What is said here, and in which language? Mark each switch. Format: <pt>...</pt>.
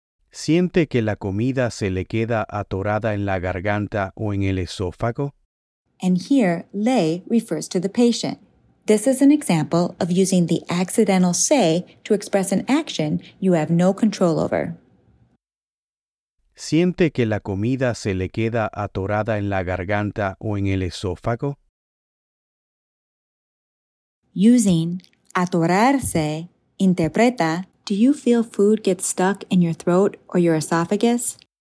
<es>¿Siente que la comida se le queda atorada en la garganta o en el esófago?</es> <en>And here, le refers to the patient. This is an example of using the accidental say to express an action you have no control over.</en> <es>¿Siente que la comida se le queda atorada en la garganta o en el esófago?</es> <en>Using atorarse, interpreta, do you feel food get stuck in your throat or your esophagus?</en>